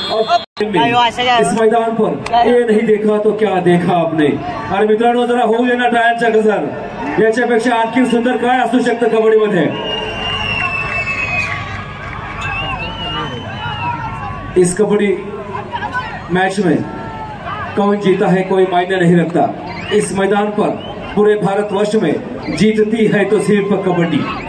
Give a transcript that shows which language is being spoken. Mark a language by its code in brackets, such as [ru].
[hi] और इस मैदान पर ये नहीं देखा तो क्या देखा आपने। [mr] अरे मित्रांनो जरा होऊ देना टायरचा कसर, याच्यापेक्षा आणखी सुंदर काय असू शकतं कबड्डी मध्ये। [hi] इस कबड्डी मैच में कौन जीता है कोई मायने नहीं रखता। इस मैदान पर पूरे भारतवर्ष में जीतती है तो सिर्फ कबड्डी।